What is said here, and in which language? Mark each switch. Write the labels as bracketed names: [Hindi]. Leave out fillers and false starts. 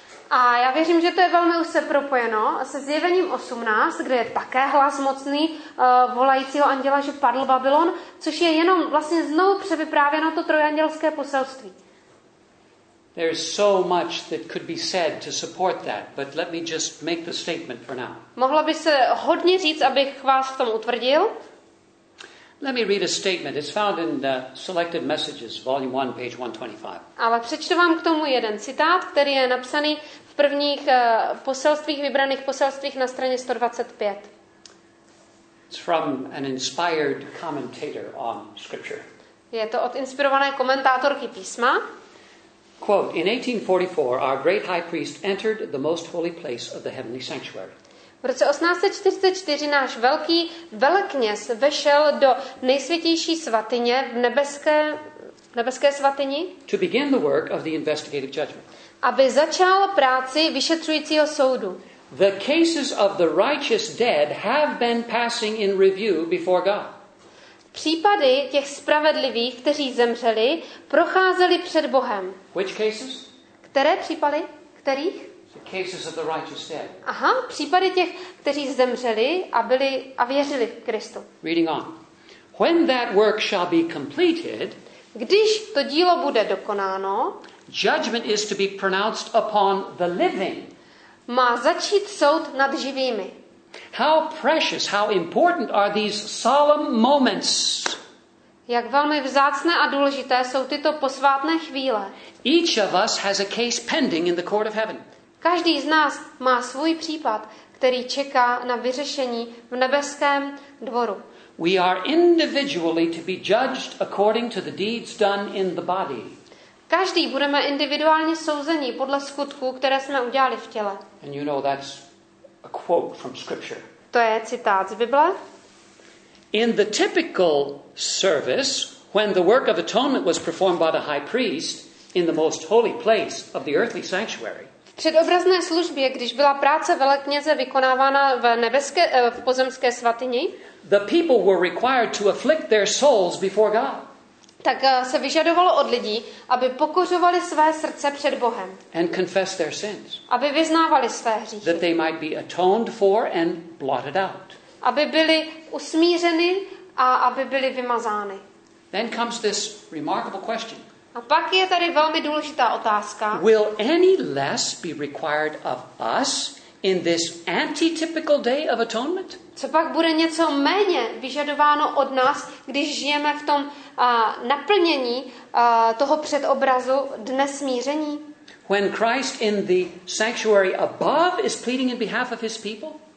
[Czech] A já věřím, že to je velmi úzce propojeno se zjevením 18, kde je také hlas mocný volajícího anděla, že padl Babylon, což je jenom vlastně znovu převyprávěno to trojandělské poselství. [English] There is so much that could be said to support that, but let me just make the statement for now. [Czech] Mohlo by se hodně říct, abych vás v tom utvrdil? [English] Let me read a statement. It's found in the Selected Messages, volume 1, page 125. [Czech] Ale přečtu vám k tomu jeden citát, který je napsaný v prvních poselstvích, vybraných poselstvích na straně 125. [English] It's from an inspired commentator on scripture. [Czech] Je to od inspirované komentátorky písma. [English] Quote, in 1844 our great high priest entered the most holy place of the heavenly sanctuary. [Czech] V roce 1844 náš velký velekněz vešel do nejsvětější svatyně v nebeské svatyni [English] to begin the work of the investigative judgment. [Czech] aby začal práci vyšetřujícího soudu. [English] The cases of the righteous dead have been passing in review before God. [Czech] Případy těch spravedlivých, kteří zemřeli, procházeli před Bohem. [English] Which cases? [Czech] Které případy? Kterých? [English] The cases of the righteous dead. [Czech] Aha, případy těch, kteří zemřeli a byli a věřili v Kristu. [English] Reading on. When that work shall be completed, [Czech] když to dílo bude dokonáno, [English] judgment is to be pronounced upon the living. [Czech] Má začít soud nad živými. [English] How precious, how important are these solemn moments? [Czech] Jak velmi vzácné a důležité jsou tyto posvátné chvíle. [English] Each of us has a case pending in the court of heaven. [Czech] Každý z nás má svůj případ, který čeká na vyřešení v nebeském dvoru. [English] We are individually to be judged according to the deeds done in the body. [Czech] Každý budeme individuálně souzeni podle skutků, které jsme udělali v těle. [English] And you know that's a quote from scripture. [Czech] To je citát z Bible. [English] In the typical service, when the work of atonement was performed by the high priest in the most holy place of the earthly sanctuary. [Czech] V předobrazné službě, když byla práce velekněze vykonávána v nebeské v pozemské svatyni, [English] the people were required to afflict their souls before God. [Czech] Tak se vyžadovalo od lidí, aby pokořovali své srdce před Bohem. [English] And confess their sins. [Czech] Aby vyznávali své hříchy. [English] That they might be atoned for and blotted out. [Czech] Aby byli usmířeny a aby byli vymazány. [English] Then comes this remarkable question. [Czech] A pak je tady velmi důležitá otázka. [English] Will any less be required of us in this anti-typical day of atonement? [Czech] Co pak bude něco méně vyžadováno od nás, když žijeme v tom naplnění toho předobrazu dne smíření? [English] When Christ in the sanctuary above is pleading in behalf of his people?